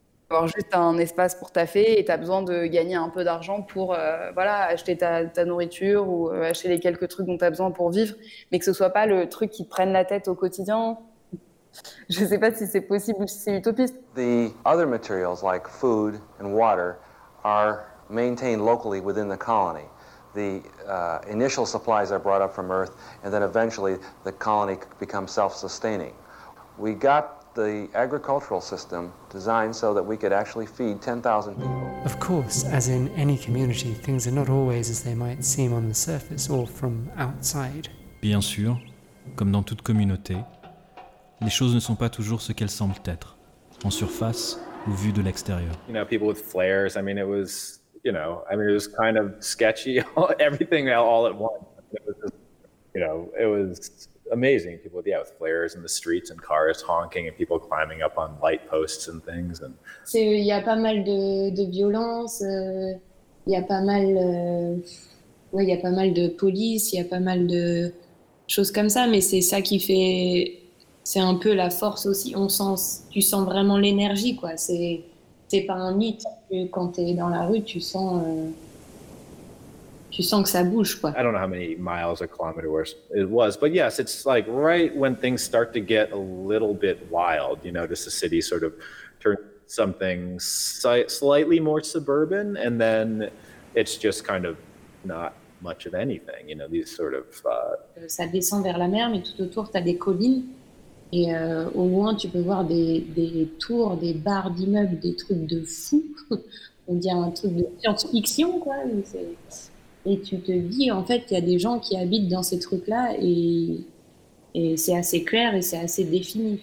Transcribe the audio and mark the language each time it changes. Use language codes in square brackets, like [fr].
[fr] Avoir juste un espace pour taffer et t'as besoin de gagner un peu d'argent pour voilà, acheter ta nourriture ou acheter les quelques trucs dont t'as besoin pour vivre, mais que ce soit pas le truc qui te prenne la tête au quotidien. Je sais pas si c'est possible ou si c'est utopiste. [en] The other materials like food and water are maintained locally within the colony. The initial supplies are brought up from Earth and then eventually the colony becomes self-sustaining. We got the agricultural system designed so that we could actually feed 10,000 people. Of course, as in any community, things are not always as they might seem on the surface or from outside. [fr] Bien sûr, comme dans toute communauté, les choses ne sont pas toujours ce qu'elles semblent être, en surface ou vue de l'extérieur. [en] You know, people with flares, I mean, it was, you know, I mean, it was kind of sketchy, everything all at once. It was amazing, people with flares in the streets and cars honking and people climbing up on light posts and things. And [fr] c'est, il y a pas mal de violence, il y a pas mal, ouais, il y a pas mal de police, il y a pas mal de choses comme ça, mais c'est ça qui fait, c'est un peu la force aussi. Tu sens vraiment l'énergie, quoi. C'est pas un mythe. Quand t'es dans la rue, tu sens que ça bouge, quoi. [en] I don't know how many miles or kilometers it was, but yes, it's like right when things start to get a little bit wild, you notice the city sort of turn something slightly more suburban, and then it's just kind of not much of anything, you know, these sort of... [fr] Ça descend vers la mer, mais tout autour, t'as des collines, et au loin, tu peux voir des tours, des barres d'immeubles, des trucs de fou. On dirait un truc de science-fiction, quoi, mais c'est... Et tu te dis, en fait, il y a des gens qui habitent dans ces trucs-là et c'est assez clair et c'est assez défini.